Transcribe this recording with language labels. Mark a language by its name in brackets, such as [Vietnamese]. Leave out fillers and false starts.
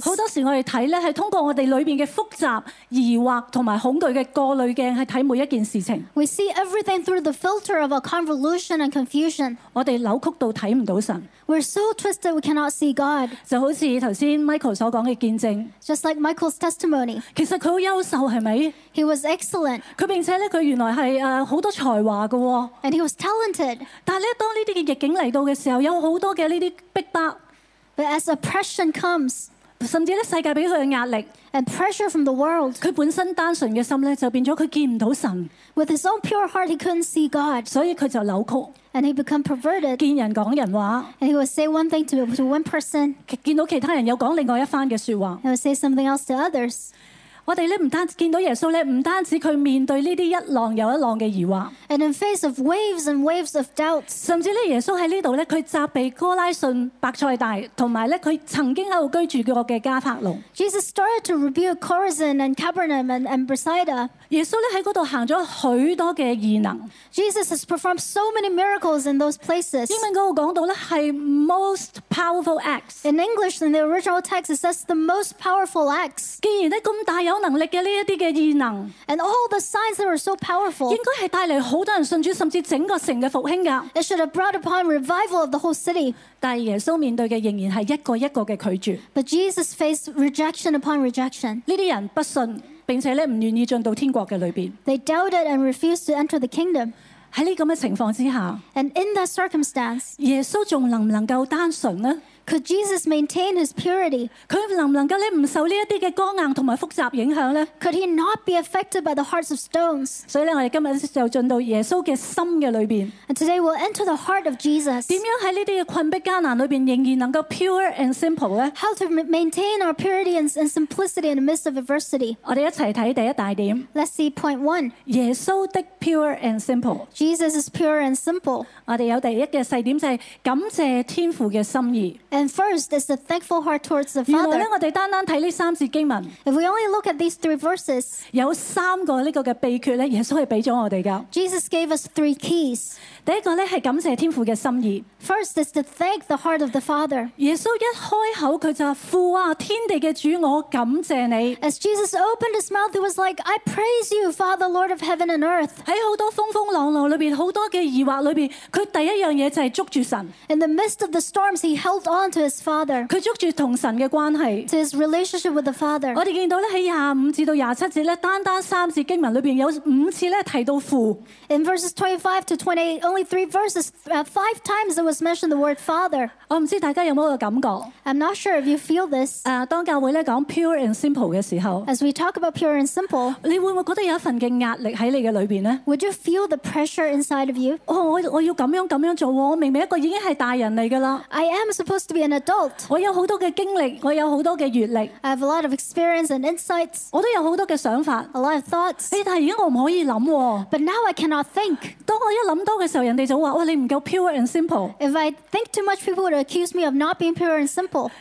[Chinese] 很多时候我们看是通过我们里面的复杂疑惑和恐惧的过滤镜去看每一件事情。 [English] We see everything through the filter of a convolution and confusion. [Chinese] 我们扭曲到看不到神。 [English] We're so twisted we cannot see God. [Chinese] 就好像刚才 Michael 所说的见证。 [English] Just like Michael's testimony. [Chinese] 其实他很优秀是吗? [English] He was excellent. [Chinese] 他并且他原来是很多才华的。 [English] And he was talented. [Chinese] 但是当这些逆境来到的时候，有很多的这些逼迫。 [English] But as oppression comes, [Chinese] 甚至世界给他的压力。 [English] And pressure from the world. [Chinese] 他本身单纯的心就变成他见不到神。 [English] With his own pure heart, he couldn't see God. [Chinese] 所以他就扭曲。 [English] And he became perverted. [Chinese] 见人讲人话。 [English] And he would say one thing to one person. [Chinese] 见到其他人又讲另外一番的说话。 [English] And would say something else to others. [Chinese] 我们不单看到耶稣不单止他面对这些一浪又一浪的疑惑 [English] and in face of waves and waves of doubts, [Chinese] 甚至耶稣在这里他责备哥拉信白菜大还有他曾经在居住过的加法隆 [English] Jesus started to rebuke Chorazin and Capernaum and Bethsaida [Chinese] 耶稣在那里行了许多的异能 [English] Jesus has performed so many miracles in those places [Chinese] 英文那里讲到是 [English] most powerful acts in English in the original text it says the most powerful acts [Chinese] 既然这么大有能力的这些的异能 [English] and all the signs that were so powerful [Chinese] 应该是带来很多人信主甚至整个城的复兴的 [English] it should have brought upon revival of the whole city [Chinese] 但耶稣面对的仍然是一个一个的拒绝 [English] but Jesus faced rejection upon rejection [Chinese] 这些人不信并且不愿意进到天国的里面 [English] they doubted and refused to enter the kingdom [Chinese] 在这样的情况之下 [English] and in that circumstance [Chinese] 耶稣还能不能够单纯呢 [English] Could Jesus maintain his purity? [Chinese] 他能不能够不受这些刚硬和复杂影响呢? [English] Could he not be affected by the hearts of stones? [Chinese] 所以我们今天就进到耶稣的心的里面。 [English] And today we'll enter the heart of Jesus. [Chinese] 怎样在这些困迫艰难里面仍然能够 [English] pure and simple [Chinese] 呢? [English] How to maintain our purity and simplicity in the midst of adversity. [Chinese] 我们一起看第一大点。 [English] Let's see point one. [Chinese] 耶稣的 [English] pure and simple. Jesus is pure and simple. [Chinese] 我们有第一个细点就是感谢天父的心意。 [English] And first is a thankful heart towards the Father. [Chinese] 原来我们单单看这三节经文 [English] If we only look at these three verses, [Chinese] 有三个这个的秘诀耶稣是给了我们的 [English] Jesus gave us three keys. [Chinese] 第一个是感谢天父的心意 [English] First is to thank the heart of the Father. [Chinese] 耶稣一开口他就父啊天地的主我感谢你 [English] As Jesus opened his mouth, he was like, I praise you, Father, Lord of heaven and earth. [Chinese] 在很多风风浪浪里面很多的疑惑里面他第一样东西就是捉住神 [English] In the midst of the storms, he held onTo his father, [Chinese] 他捉住同神的关系 [English] to his relationship with the father. [Chinese] 我们看到在25至27节单单三节经文里面有五次提到父 [English] In verses 25 to 28, only three verses, five times it was mentioned the word father. [Chinese] 我不知道大家有没有感觉 [English] I'm not sure if you feel this. [Chinese] 当教会讲 [English] pure and simple [Chinese] 的时候 [English] As we talk about pure and simple, [Chinese] 你会不会觉得有一份的压力在你的里面呢 [English] Would you feel the pressure inside of you? [Chinese] 我要这样做我明明一个已经是大人来的 [English] I am supposed to be an adult. [Chinese] 我有很多的经历我有很多的阅历 [English] I have a lot of experience and insights. [Chinese] 我都有很多的想法 [English] A lot of thoughts. [Chinese] 但现在我不可以想、哦、 [English] But now I cannot think. [Chinese] 当我一想多的时候人家就说、哦、你不够 [English] pure and simple. If I think too much, people would accuse me of not being pure and simple.